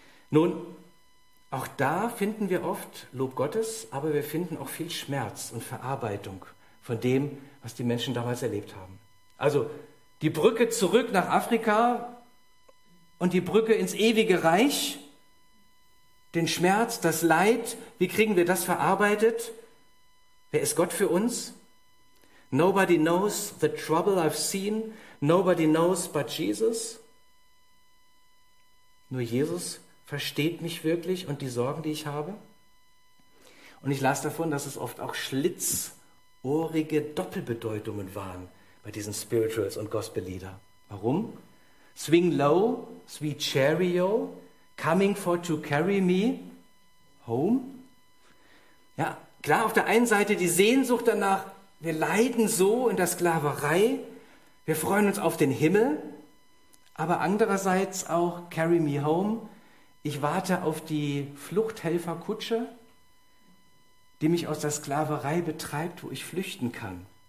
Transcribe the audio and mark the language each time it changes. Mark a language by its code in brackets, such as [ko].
[de] Nun, auch da finden wir oft Lob Gottes, aber wir finden auch viel Schmerz und Verarbeitung von dem, was die Menschen damals erlebt haben. Also die Brücke zurück nach Afrika und die Brücke ins ewige Reich, den Schmerz, das Leid, wie kriegen wir das verarbeitet? Wer ist Gott für uns? [en] Nobody knows the trouble I've seen. Nobody knows but Jesus. [de] Nur Jesus versteht mich wirklich und die Sorgen, die ich habe. Und ich las davon, dass es oft auch schlitzohrige Doppelbedeutungen waren bei diesen Spirituals und Gospellieder. Warum? [en] Swing low, sweet chariot, coming for to carry me home. [de] Ja, klar, auf der einen Seite die Sehnsucht danach, wir leiden so in der Sklaverei, wir freuen uns auf den Himmel, aber andererseits auch carry me home, ich warte auf die Fluchthelferkutsche, die mich aus der Sklaverei betreibt, wo ich flüchten kann.